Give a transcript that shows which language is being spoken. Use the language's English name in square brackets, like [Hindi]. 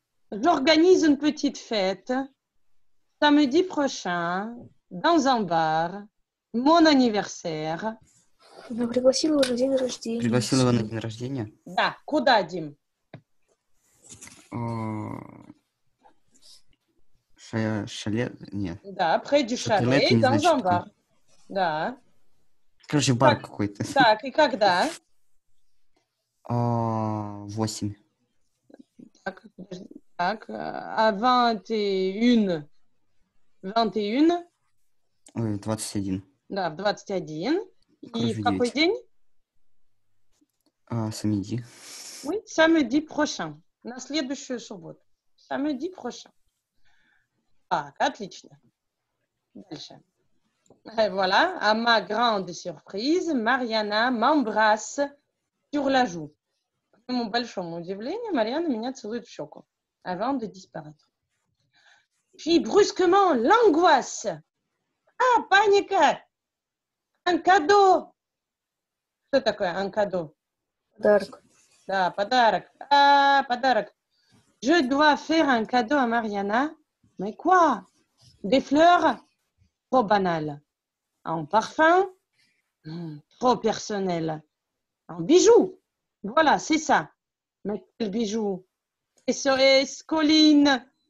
[French] J'organise une petite fête samedi prochain dans un bar, mon anniversaire. [Russian] Она пригласила его на день рождения. Пригласила его на день рождения? Да. Куда, Дим? Шале? Нет. [French] Да, près du chalet, dans un bar. [Russian] Да. Короче, бар какой-то. Так, и когда? 8. Так, а 21? Ой, 21. Да, в 21. И в какой день? Самеди. [French] Oui, samedi prochain. [Russian] На следующую субботу. Samedi prochain. Так, отлично. Дальше. [French] Et voilà, à ma grande surprise, Mariana m'embrasse sur la joue. [Russian] Mon большому удивлению, Mariana меня целует в щеку [French] avant de disparaître. [Russian] Puis brusquement, l'angoisse. Ah, panique! Un cadeau! Что такое un cadeau? Подарок. Да, подарок. Ah, подарок. [French] Je dois faire un cadeau à Mariana. Mais quoi? Des fleurs? Trop banal. En parfum? Trop personnel. En bijoux? Voilà, c'est ça. Mais quel bijou? SOS, Colline!